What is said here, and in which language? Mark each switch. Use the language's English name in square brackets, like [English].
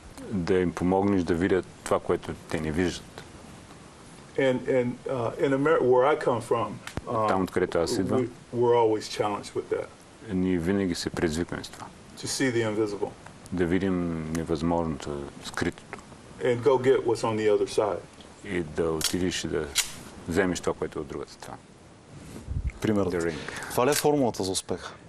[Bulgarian] Да им помогнеш да видят това, което те не виждат. [English] In America, where I come from, [Bulgarian] там, откъдето аз идвам, [English] we're always challenged with that. [Bulgarian] Ние винаги се предизвикваме с това. [English] To see the invisible. [Bulgarian] Да видим невъзможното, скритото. [English] And go get what's on the other side. [Bulgarian] И да отидеш да вземеш това, което е от другата страна. Примерът. Това ли е формулата за успех?